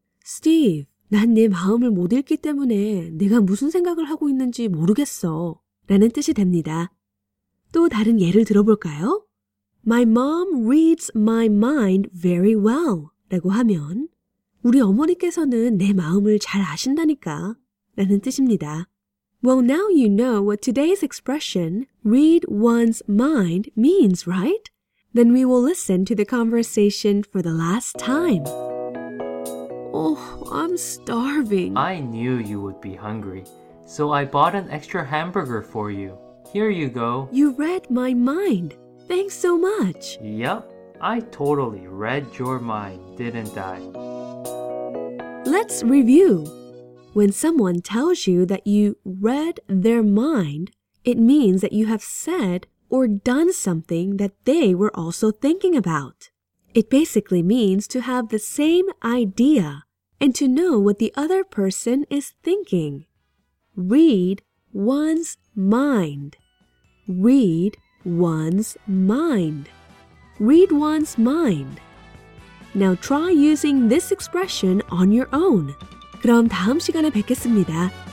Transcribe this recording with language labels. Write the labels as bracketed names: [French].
[Korean] Steve, 난 네 마음을 못 읽기 때문에 내가 무슨 생각을 하고 있는지 모르겠어. 라는 뜻이 됩니다. 또 다른 예를 들어볼까요? [English] My mom reads my mind very well. [Korean] 라고 하면 우리 어머니께서는 내 마음을 잘 아신다니까. 라는 뜻입니다. [English] Well, now you know what today's expression read one's mind means, right? Then we will listen to the conversation for the last time. Oh, I'm starving. I knew you would be hungry, so I bought an extra hamburger for you. Here you go. You read my mind. Thanks so much. Yep, I totally read your mind, didn't I? Let's review. When someone tells you that you read their mind, it means that you have said or done something that they were also thinking about. It basically means to have the same idea and to know what the other person is thinking. Read one's mind. Read one's mind. Read one's mind. Now try using this expression on your own. [Korean] 그럼 다음 시간에 뵙겠습니다.